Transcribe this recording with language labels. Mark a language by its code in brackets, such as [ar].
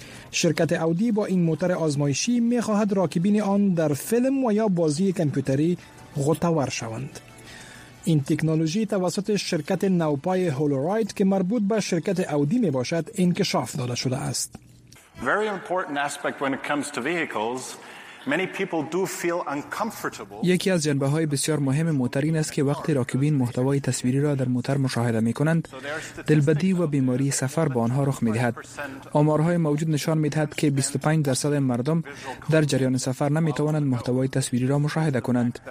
[fa] شرکت اودی با این موتر آزمایشی می خواهد راکبین آن در فیلم و یا بازی کمپیوتری غوطه‌ور شوند. این تکنولوژی توسط شرکت نوپای هولوراید که مربوط به شرکت اودی می باشد انکشاف داده شده است. [en] Very important aspect when it comes to vehicles. Many people do feel uncomfortable. [fa] یکی از جنبه‌های بسیار مهم موتر این است که وقتی راکبین محتوای تصویری را در موتر مشاهده می‌کنند، دلبدی و بیماری سفر با آنها رخ می‌دهد. آمارهای موجود نشان می‌دهد که 25% مردم در جریان سفر نمی‌توانند محتوای تصویری را مشاهده کنند.